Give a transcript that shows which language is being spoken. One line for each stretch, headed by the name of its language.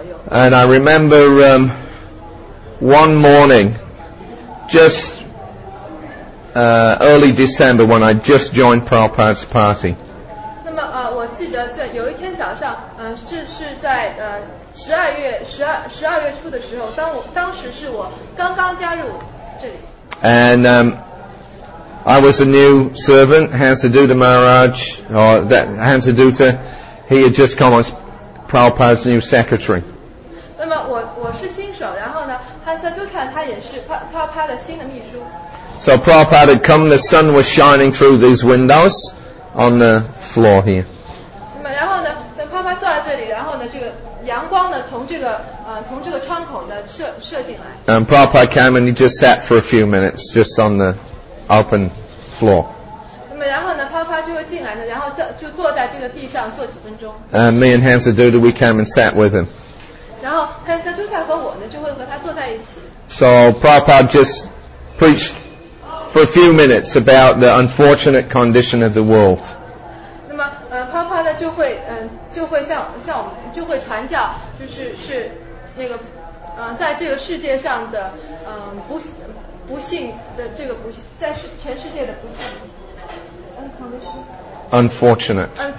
English: And I remember one morning, just early December when I just joined Prabhupada's party.
Chinese: 记得在有一天早上，这是在十二月初的时候，当时是我刚刚加入这里。
English: And I was a new servant, Hansaduta Maharaj, or that Hansaduta, he had just come as Prabhupada's new secretary.
Chinese: 那么我是新手，然后呢 ，Hansaduta 他也是 Prabhupada 的新的秘书。
English: So Prabhupada had come, the sun was shining through these windows on the floor here.
Chinese: 那么然后呢，等 Prabhupada 坐在这里，然后呢，这个阳光呢，从这个窗口呢射进来。
English: And Prabhupada came and he just sat for a few minutes, just on the open floor.
Chinese: 那么然后呢，啪啪就会进来的，然后就坐在这个地上坐几分钟。
English: Me and Hansaduta, we came and sat with him.
Chinese: 然后 Hansaduta 和我呢就会和他坐在一起。
English: So Prabhupada just preached for a few minutes about the unfortunate condition of the world.
Chinese: 那么啪啪呢就会像我们就会传教，就是是那个在这个世界上的不幸，在全世界的不幸。
English: Unfortunate.